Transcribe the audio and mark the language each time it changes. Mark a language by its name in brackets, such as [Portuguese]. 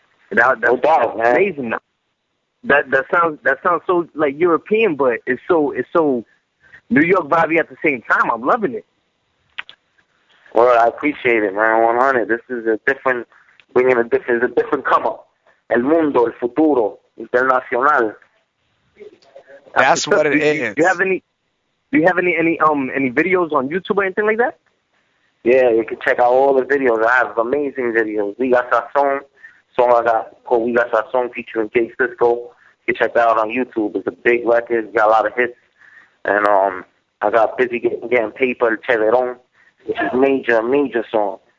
[English] That's amazing. That sounds so like European, but it's so New York vibe at the same time. I'm loving it. Well, I appreciate it, man. 100. This is a different, bringing a different, it's a different come up. [Spanish] El mundo, el futuro, internacional. [English] That's what it is. Do you have any videos on YouTube or anything like that? Yeah, you can check out all the videos. I have amazing videos. We got our song I got called We Got Our Song featuring Jay Sisco. You can check that out on YouTube. It's a big record, got a lot of hits. And I got busy getting paper, El Cheverón, which is major song.